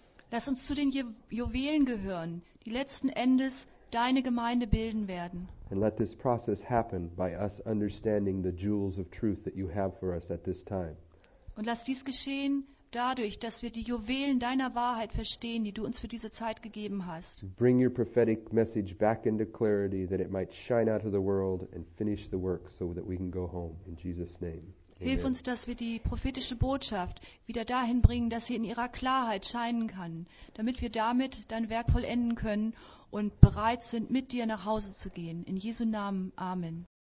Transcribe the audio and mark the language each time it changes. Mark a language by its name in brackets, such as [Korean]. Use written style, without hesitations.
[German] Lass uns zu den Juwelen gehören, die letzten Endes deine Gemeinde bilden werden. [English] And let this process happen by us understanding the jewels of truth that you have for us at this time. [German] Und lass dies geschehen dadurch, dass wir die Juwelen deiner Wahrheit verstehen, die du uns für diese Zeit gegeben hast. [English] Bring your prophetic message back into clarity that it might shine out to the world and finish the work so that we can go home in Jesus' name. [German] Hilf uns, dass wir die prophetische Botschaft wieder dahin bringen, dass sie in ihrer Klarheit scheinen kann, damit wir damit dein Werk vollenden können und bereit sind, mit dir nach Hause zu gehen. In Jesu Namen. Amen.